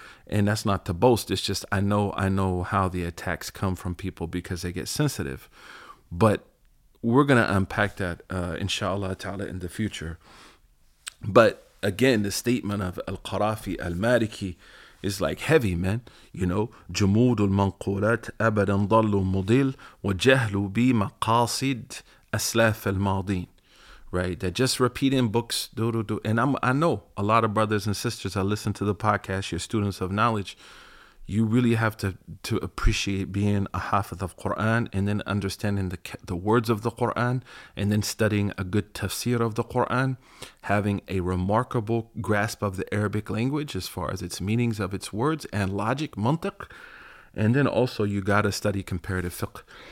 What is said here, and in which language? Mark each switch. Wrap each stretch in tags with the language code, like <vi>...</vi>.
<en>And that's not to boast. It's just I know how the attacks come from people because they get sensitive. But we're going to unpack that, inshallah ta'ala, in the future. But again, the statement of Al-Qarafi Al-Maliki is like heavy, man.</en> <ar>You know, جمود المنقولات أبدا ضلوا مضل وجهلوا بمقاصد أسلاف الماضين.</ar> <en>Right, that just repeating books, and I know a lot of brothers and sisters that listen to the podcast, you're students of knowledge, you really have to appreciate being a hafiz of Quran and then understanding the words of the Quran and then studying a good tafsir of the Quran, having a remarkable grasp of the Arabic language as far as its meanings of its words and logic, mantiq, and then also you got to study comparative fiqh.</en>